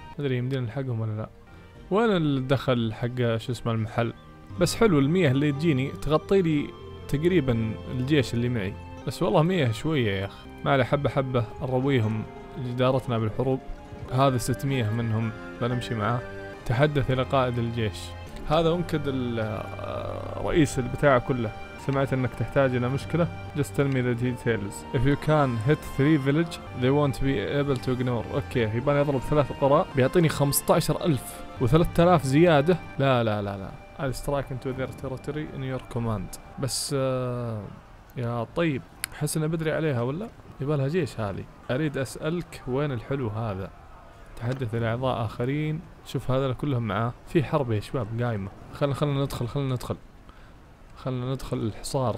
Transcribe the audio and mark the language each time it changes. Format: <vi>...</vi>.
<ar>مدري يمدينا نلحقهم ولا لا. وين الدخل حق شو اسمه المحل؟ بس حلو المياه اللي تجيني تغطي لي تقريبا الجيش اللي معي. بس والله مياه شوية يا اخ. ما علي حبة حبة ارويهم جدارتنا بالحروب. هذا 600 منهم بنمشي معاه. تحدث الى قائد الجيش. هذا انكد الرئيس البتاع كله. سمعت انك تحتاج الى مشكلة.</ar> <en>Just tell me the details. If you can hit 3 village they won't be able to ignore.</en> <ar>اوكي يباني اضرب 3 قرى بيعطيني 15,000 و 3,000 زيادة. لا لا لا لا.</ar> <en>I'll strike into their territory in your command.</en> <ar>بس يا طيب حس انه بدري عليها ولا؟ يبالها جيش هذي. اريد اسألك وين الحلو هذا؟ تحدث الى اعضاء اخرين. شوف هذا كلهم معاه. في حرب يا شباب قايمة. خلنا ندخل الحصار.</ar>